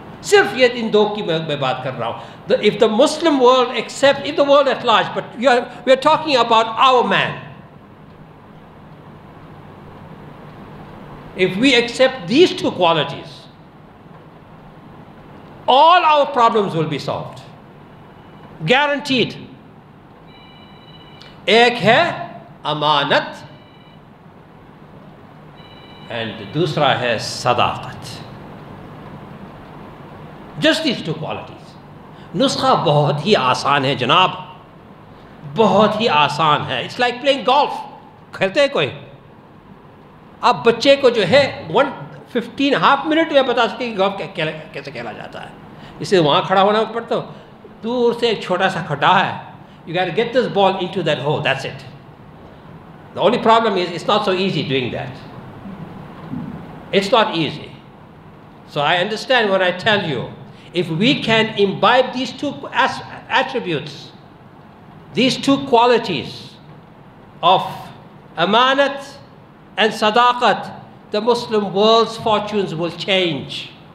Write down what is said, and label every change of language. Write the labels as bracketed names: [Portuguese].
[Urdu] صرف یہ ان دو کی میں بات کر رہا ہوں. [English] If the Muslim world accepts, if the world at large, but we are talking about our man. If we accept these two qualities, all our problems will be solved. Guaranteed. [Urdu] Ek hai amanat and dusra hai sadaqat. [English] Just these two qualities. [Urdu] Nuskha bahut hi aasan hai janab. Bahut hi aasan hai. [English] It's like playing golf. [Urdu] Khelte hai koi? آپ بچے کو جو ہے 1.5 minute میں بتا سکتے کہ گاؤں کیسے کھیلا جاتا ہے. اسے وہاں کھڑا ہونا پڑتا, دور سے ایک چھوٹا سا کھڈا ہے, [English] You get get this ball into that ہو, that's it. The only problem is it's not so easy doing that, it's not easy. So I understand when I tell you if we can imbibe these two attributes, these two qualities of amanat and sadaqat, the Muslim world's fortunes will change.